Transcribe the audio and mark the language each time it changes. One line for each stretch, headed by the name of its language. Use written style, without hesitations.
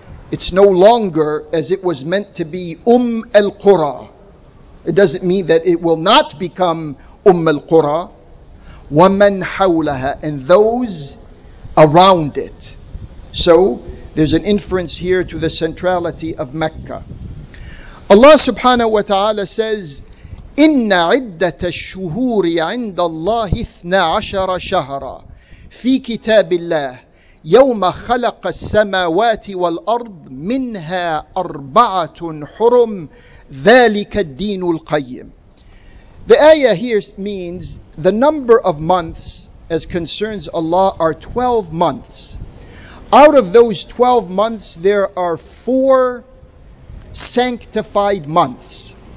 English: It's no longer as it was meant to be, al-Qura. It doesn't mean that it will not become al-Qura.
Arabic: وَمَنْ حَوْلَهَا,
English: and those around it. So there's an inference here to the centrality of Mecca.
Arabic: Allah subhanahu wa ta'ala says, إِنَّ عِدَّةَ الشُّهُورِ عِنْدَ اللَّهِ 12 شَهْرًا فِي كِتَابِ اللَّهِ يَوْمَ خَلَقَ السَّمَاوَاتِ وَالْأَرْضِ مِنْهَا أَرْبَعَةٌ حُرُمٌ ذَلِكَ الدِّينُ الْقَيِّمِ.
English: The ayah here means the number of months as concerns Allah are 12 months. Out of those 12 months, there are 4 sanctified months.